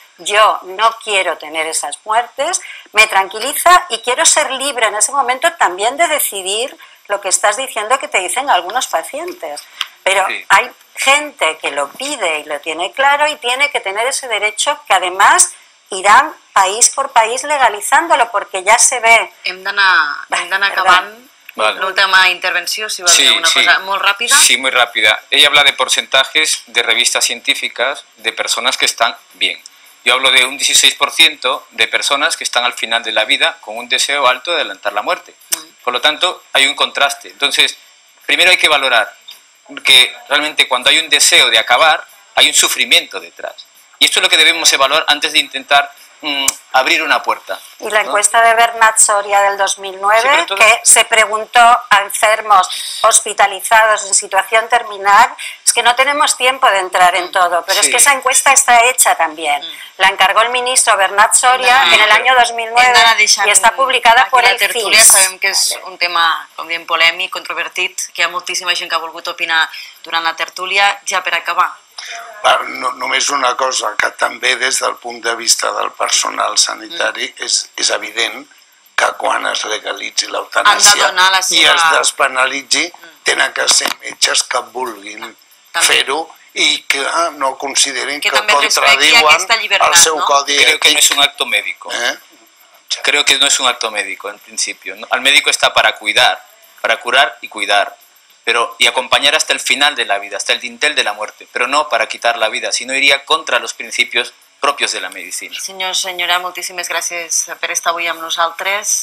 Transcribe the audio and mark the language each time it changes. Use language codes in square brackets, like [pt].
[es] Yo no quiero tener esas muertes, me tranquiliza y quiero ser libre en ese momento también de decidir lo que estás diciendo que te dicen algunos pacientes, pero sí. Hay gente que lo pide y lo tiene claro y tiene que tener ese derecho, que además irán país por país legalizándolo, porque ya se ve. [ca] Hem d'anar acabant. Vale. L'última intervenció, si vols dir una cosa molt ràpida. [es] Sí, muy rápida. Ella habla de porcentajes de revistas científicas de personas que están bien. Yo hablo de un 16% de personas que están al final de la vida con un deseo alto de adelantar la muerte. Por lo tanto, hay un contraste. Entonces, primero hay que valorar que realmente cuando hay un deseo de acabar, hay un sufrimiento detrás. Y esto es lo que debemos evaluar antes de intentar abrir una puerta. Y la encuesta de Bernat Soria del 2009, que se preguntó a enfermos hospitalizados en situación terminal, es que no tenemos tiempo de entrar en todo, pero sí. Es que esa encuesta está hecha también. La encargó el ministro Bernat Soria en el año 2009 y está publicada por el CIS. Sabemos que es un tema bien polémico, controvertido, que hay muchísima gente que [ca] ha volgut [es] opinar durante la tertulia, ya para acabar. [ca] No, només una cosa, que també des del punt de vista del personal sanitari és evident que quan es legalitzi l'eutanàsia i es despenalitzi tenen que ser metges que vulguin fer-ho i que no considerin que contradiuen el seu codi ètic. [es] Creo que no és un acto médico. Creo que no és un acto médico, en principio. El médico [ca] està per cuidar, per curar i cuidar. [es] Y acompañar hasta el final de la vida, hasta el dintel de la muerte, pero no para quitar la vida, sino iría contra los principios propios de la medicina. Señora, muchísimas gracias por estar hoy con nosotros.